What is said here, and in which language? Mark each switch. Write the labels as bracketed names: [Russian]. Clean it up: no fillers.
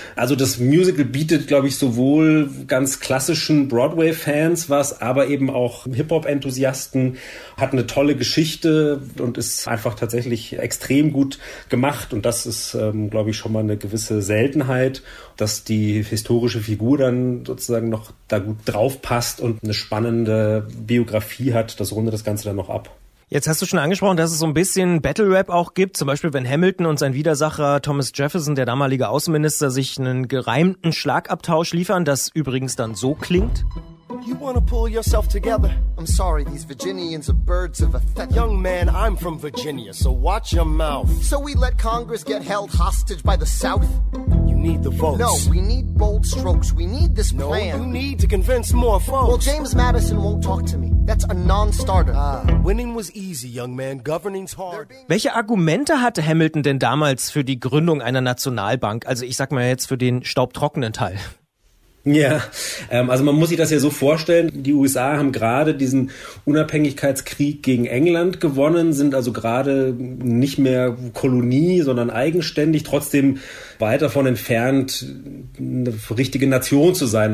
[German] Also das Musical bietet, glaube ich, sowohl ganz klassischen Broadway-Fans was, aber eben auch Hip-Hop-Enthusiasten, hat eine tolle Geschichte und ist einfach tatsächlich extrem gut gemacht und das ist, glaube ich, schon mal eine gewisse Seltenheit, dass die historische Figur dann sozusagen noch da gut drauf passt und eine spannende Biografie hat, das rundet das Ganze dann noch ab. Jetzt hast du schon angesprochen, dass es so ein bisschen Battle-Rap auch gibt, zum Beispiel wenn Hamilton und sein Widersacher Thomas Jefferson, der damalige Außenminister, sich einen gereimten Schlagabtausch liefern, das übrigens dann so klingt. [English] You wanna pull yourself together? I'm sorry, these Virginians are birds of a feather. Young man, I'm from Virginia, so watch your mouth. So we let Congress get held hostage by the South? You need the votes. No, we need bold strokes. We need this plan. No, you need to convince more folks. Well, James Madison won't talk to me. That's a non-starter. Ah, winning was easy, young man. Governing's hard. [German] Welche Argumente hatte Hamilton denn damals für die Gründung einer Nationalbank? Also ich sag mal jetzt für den staubtrockenen Teil. Ja, also man muss sich das ja so vorstellen, die USA haben gerade diesen Unabhängigkeitskrieg gegen England gewonnen, sind also gerade nicht mehr Kolonie, sondern eigenständig, trotzdem weit davon entfernt, eine richtige Nation zu sein.